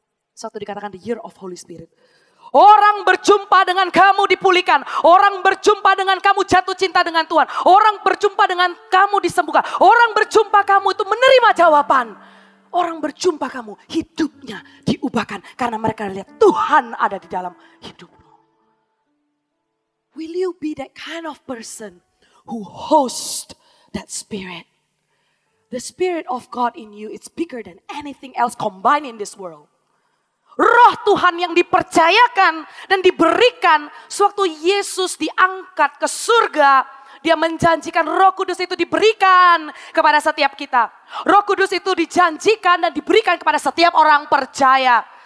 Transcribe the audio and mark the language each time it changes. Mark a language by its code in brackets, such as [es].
[id] Satu dikatakan [en] the year of Holy Spirit. [id] Orang berjumpa dengan kamu dipulihkan. Orang berjumpa dengan kamu jatuh cinta dengan Tuhan. Orang berjumpa dengan kamu disembuhkan. Orang berjumpa kamu itu menerima jawaban. Orang berjumpa kamu hidupnya diubahkan. Karena mereka lihat Tuhan ada di dalam hidupmu. [en] Will you be that kind of person who host that spirit? The spirit of God in you is bigger than anything else combined in this world. [id] Roh Tuhan yang dipercayakan dan diberikan sewaktu Yesus diangkat ke surga. Dia menjanjikan Roh Kudus itu diberikan kepada setiap kita. Roh Kudus itu dijanjikan dan diberikan kepada setiap orang percaya.